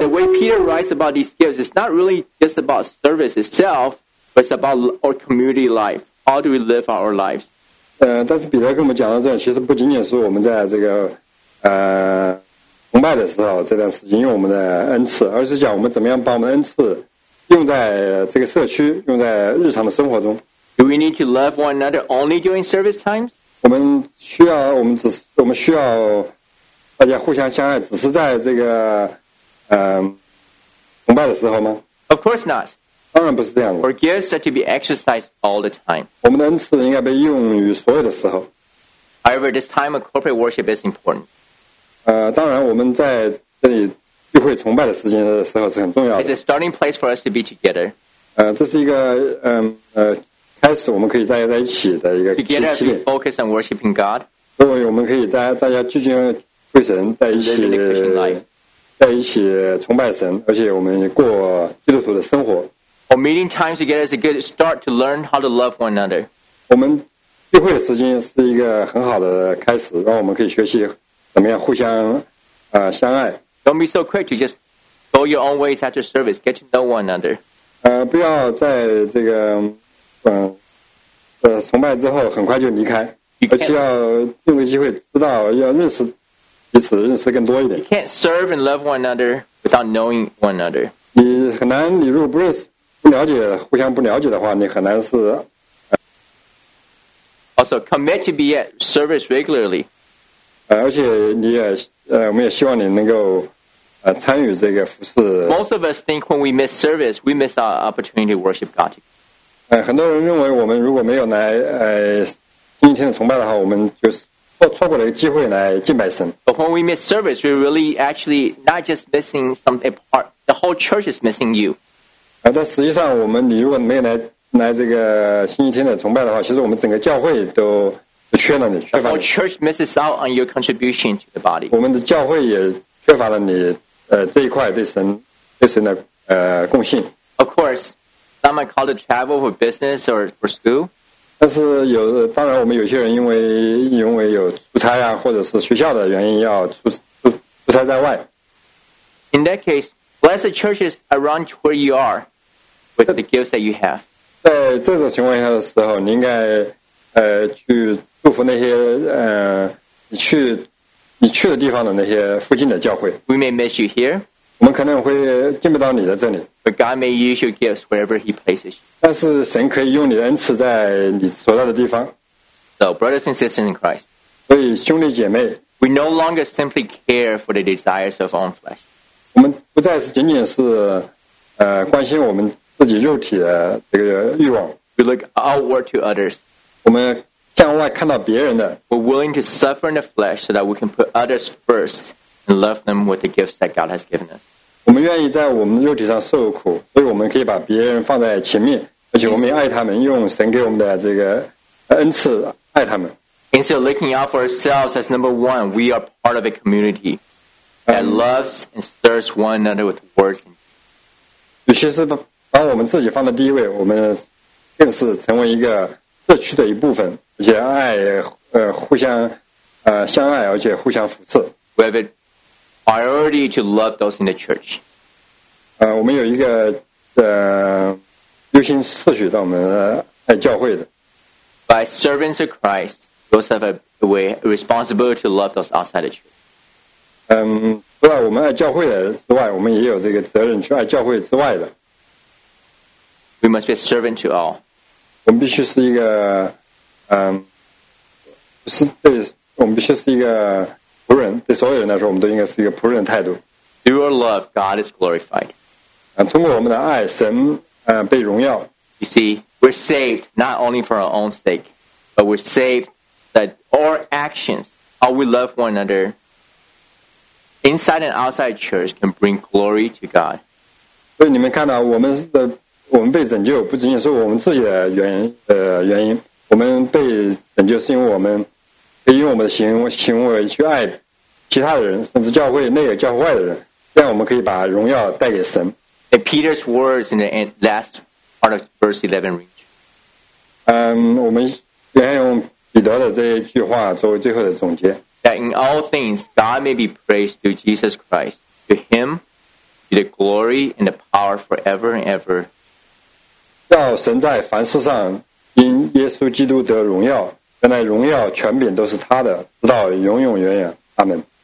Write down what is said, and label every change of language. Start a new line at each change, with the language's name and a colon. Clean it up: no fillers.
English: the way Peter writes about these gifts is not really just about service itself, but it's about our community life. How do we live our lives?
Chinese: 但是彼得跟我们讲到这样，其实不仅仅是我们在这个崇拜的时候这段时间用我们的恩赐，而是讲我们怎么样把我们恩赐用在这个社区，用在日常的生活中。
English: Do we need to love one another only during service times?
Chinese: 我们需要大家互相相爱，只是在这个崇拜的时候吗？
English: Of course not.
Chinese: 当然不是这样的。
English: For gifts are to be exercised all the time.
Chinese: 我们的恩赐应该被用于所有的时候。
English: However, this time of corporate worship is important.
Chinese: 当然我们在这里聚会崇拜的时间的时候是很重要的。
English: It's a starting place for us to be together.
Chinese: 这是一个开始我们可以大家在一起的一个契机。
English: Together as we focus on worshiping God.
Chinese: 所以我们可以大家聚精会神在一起。在一起崇拜神，而且我们过基督徒的生活。
English: Our meeting times together is a good start to learn how to love one another.
Chinese: 我们聚会的时间是一个很好的开始，让我们可以学习怎么样互相相爱。
English: Don't be so quick to just go your own ways after service. Get to know one another.
Chinese: 不要在这个崇拜之后很快就离开，而且要用个机会知道要认识。彼此认识更多一点。
English: You can't serve and love one another without knowing one another.
Chinese: 你很难，你如果不认识、不了解、互相不了解的话，你很难是。
English: Also, commit to be at service regularly.
Chinese: 而且你也我们也希望你能够参与这个服事。
English: Most of us think when we miss service, we miss our opportunity to worship God.
Chinese: 很多人认为我们如果没有来今天的崇拜的话，我们就是。错过了一个机会来敬拜神。
English: But when we miss service, we're really actually not just missing something apart. The whole church is missing you.
Chinese: 但实际上我们你如果没有来这个星期天的崇拜的话，其实我们整个教会都缺了你。
English: The whole church misses out on your contribution to the body.
Chinese: 我们的教会也缺乏了你这一块对神的贡献。
English: Of course, some might call to travel for business or for school.
Chinese: 但是有，当然我们有些人因为有出差啊，或者是学校的原因要出差在外。
English: In that case, blessed churches around where you are with the gifts that you have.
Chinese: 在这种情况下的时候，你应该去祝福那些你去的地方的那些附近的教会。
English: We may miss you here.
Chinese: 我们可能会见不到你的这里。
English: But God may use your gifts wherever He places you.
Chinese: 但是神可以用你的恩赐在你所在的地方。
English: So, brothers and sisters in Christ,
Chinese: 所以兄弟姐妹
English: we no longer simply care for the desires of our own flesh.
Chinese: 我们不再是仅仅是关心我们自己肉体的这个欲望。
English: We look outward to others.
Chinese: 我们向外看到别人的。
English: We're willing to suffer in the flesh so that we can put others first and love them with the gifts that God has given us.
Chinese: 我们愿意在我们的肉体上受苦，所以我们可以把别人放在前面，而且我们也爱他们，用神给我们的这个恩赐爱他们。
English: Instead of looking out for ourselves as number one, we are part of a community that loves and serves one another with words.
Chinese: 尤其是把我们自己放在第一位，我们更是成为一个社区的一部分，而且爱互相相爱，而且互相扶持。
English: Priority to love those in the church.
Chinese: 我们有一个优先次序到我们爱教会的。
English: By servants of Christ, those have a way a responsibility to love those outside the church.
Chinese: 除了我们爱教会的之外，我们也有这个责任去爱教会之外的。
English: We must be a servant to all.
Chinese: 我们必须是一个是对，我们必须是一个。仆人对所有人来说，我们都应该是一个仆人的态度。
English: Through our love, God is glorified.
Chinese: 通过我们的爱，神被荣耀。
English: You see, we're saved not only for our own sake, but we're saved that our actions, how we love one another, inside and outside church, can bring glory to God.
Chinese: 所以你们看到我们被拯救，不仅仅是我们自己的原因，我们被拯救是因为我们。可以用我们的行为去爱其他的人，甚至教会内的教会外的人，这样我们可以把荣耀带给神。
English: And Peter's words in the last part of verse 11 reach.
Chinese: 我们先用彼得的这一句话作为最后的总结。
English: That in all things God may be praised through Jesus Christ, to Him be the glory and the power forever and ever.
Chinese: 叫神在凡事上因耶稣基督得荣耀。原来荣耀权柄都是他的，直到永永远远，阿门。